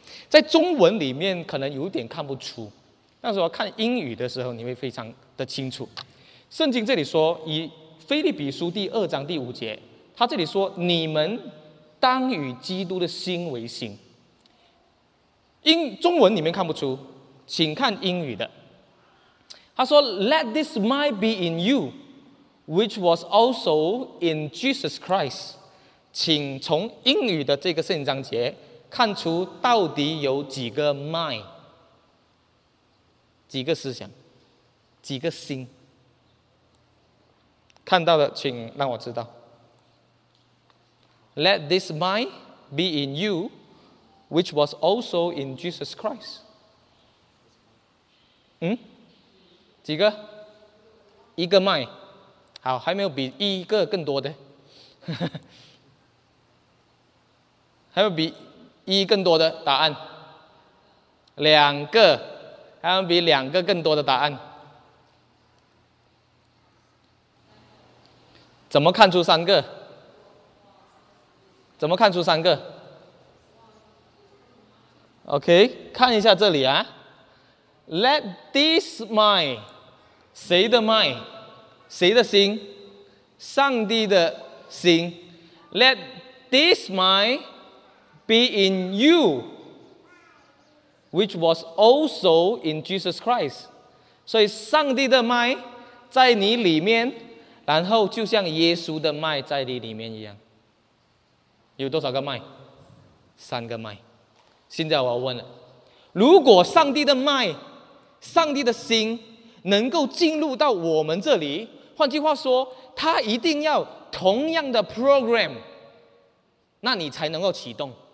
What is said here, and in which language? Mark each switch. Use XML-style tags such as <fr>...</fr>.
<zh>在中文里面可能有点看不出，但是我看英语的时候你会非常的清楚。圣经这里说，以腓立比书第二章第五节，他这里说，你们当与基督的心为心。中文里面看不出，请看英语的。他说</zh> <en>Let this mind be in you which was also in Jesus Christ.</en> <zh>请从英语的这个圣经章节看出到底有几个 mind， 几个思想，几个心。看到的请让我知道。</zh> <en>Let this mind be in you which was also in Jesus Christ.</en> <zh>几个？一个 mind。好，还没有比一个更多的，还有比一更多的答案，两个，还有比两个更多的答案，怎么看出三个？怎么看出三个 ？OK， 看一下这里啊 ，</zh> <en>Let this mind，</en> <zh>谁的 mind？谁的心？上帝的心。</zh> <en>Let this mind be in you which was also in Jesus Christ.</en> <zh>所以上帝的 mind 在你里面，然后就像耶稣的 mind 在你里面一样。有多少个 mind？ 三个 mind。现在我要问了，如果上帝的 mind， 上帝的心能够进入到我们这里，换句话说，他一定要同样的 program， 那你才能够启动。</zh>